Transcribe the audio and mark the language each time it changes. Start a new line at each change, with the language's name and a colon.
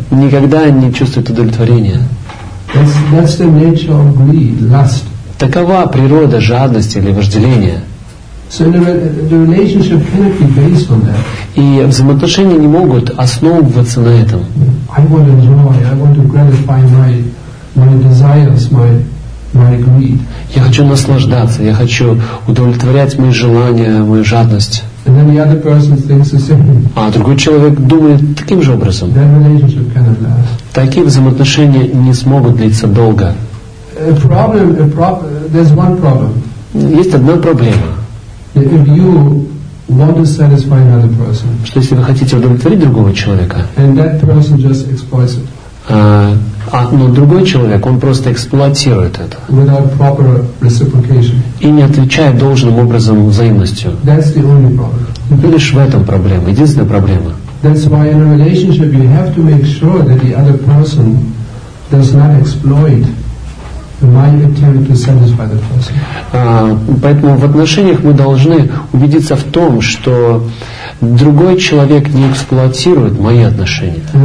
Russian: Никогда не чувствует удовлетворения.
English: That's the nature of greed, lust.
Russian: Такова природа жадности или вожделения.
English: So the relationship cannot be based on that.
Russian: И взаимоотношения не могут основываться на этом.
English: I want to enjoy. I want to gratify my desires, my greed.
Russian: Я хочу наслаждаться. Я хочу удовлетворять мои желания, мою жадность.
English: And then the other person thinks the same.
Russian: А другой человек думает таким же образом.
English: That relationship cannot last.
Russian: Такие взаимоотношения не смогут длиться долго.
English: There's one problem.
Russian: Есть одна проблема.
English: If you want to satisfy another person.
Russian: Что если вы хотите удовлетворить другого человека?
English: And that person just exploits it.
Russian: Но другой человек, он просто эксплуатирует это.
English: Without proper reciprocation.
Russian: И не отвечает должным образом взаимностью.
English: That's the only problem.
Russian: Лишь в этом проблема, единственная проблема.
English: That's why in a relationship you have to make sure that the other person does not exploit my attempt to satisfy the person.
Russian: Поэтому в отношениях мы должны убедиться в том, что другой человек не эксплуатирует мои отношения.